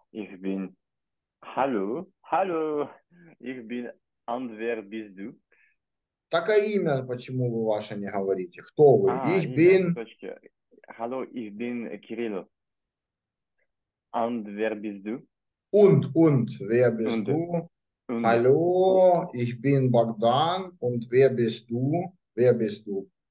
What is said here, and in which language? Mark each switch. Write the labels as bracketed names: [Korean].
[German] Ich bin, hallo, hallo, ich bin, und wer bist du? [Russian] Так, а имя, почему вы ваше не говорите? Кто вы? [German] Ich bin... Hallo, ich bin Кирилл. Und wer bist du? Und, wer bist du? Hallo, ich bin Богдан, und wer bist du? Wer bist du?